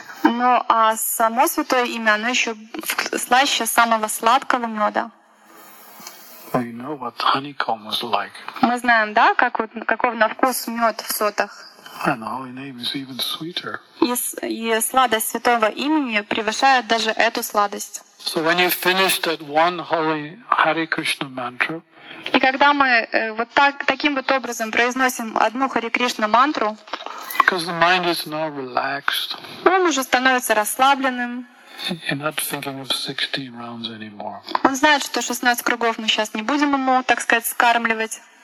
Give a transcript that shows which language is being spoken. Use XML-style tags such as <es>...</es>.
<ru>Ну, а само святое имя, оно еще слаще самого сладкого меда.</ru> <en>We know what honeycomb was like.</en> <ru>Мы знаем, да, как вот, каков на вкус мед в сотах.</ru> <en>And the holy name is even sweeter.</en> <ru>И сладость святого имени превышает даже эту сладость.</ru> <en>So when you finished that one holy Hare Krishna mantra.</en> <ru>И когда мы вот так таким вот образом произносим одну Харе Кришна мантру,</ru> <en>because the mind is now relaxed.</en> <ru>Он уже становится расслабленным.</ru> <en>You're not thinking of 16 rounds anymore.</en> <ru>Он знает, что 16 кругов мы сейчас не будем ему, так сказать, скармливать.</ru>